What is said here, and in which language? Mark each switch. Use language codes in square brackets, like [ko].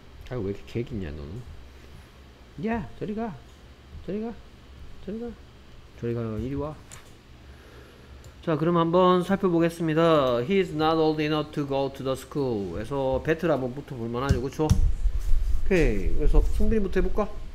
[ko] 아, 왜 이렇게 개기냐 너는? 야, 저리 가. 저리 가. 저리 가. 저리 가. 이리 와. 자, 그럼 한번 살펴보겠습니다. [en] He is not old enough to go to the school. [ko] 그래서 배틀 한번 붙어볼 만하죠, 그쵸? 오케이, 그래서 승빈이부터 해볼까?